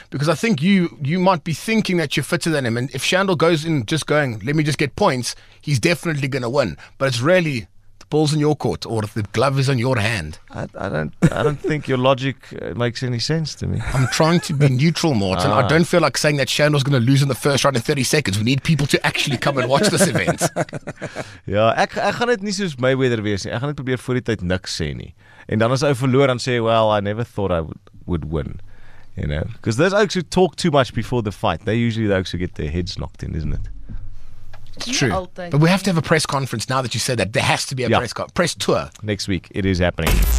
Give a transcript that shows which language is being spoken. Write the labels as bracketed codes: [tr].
[en] Because I think you might be thinking that you're fitter than him. And if Shano goes in just going, let me just get points, he's definitely going to win. But it's really... Ball's in your court, or if the glove is on your hand. I don't think your logic makes any sense to me. I'm trying to be neutral, Morton. I don't feel like saying that Shandor's going to lose in the first round in 30 seconds. We need people to actually come and watch this event. [af] Ja, ek gaan dit nie soos Mayweather wees nie. Ek gaan dit probeer voor die tyd niks sê nie. En dan as ou verloor, dan sê, [en] well, I never thought I would win. You know, because those oaks who talk too much before the fight, they usually the oaks who get their heads knocked in, isn't it? It's true, but we have to have a press conference now that you said that. There has to be a press tour. Next week, it is happening.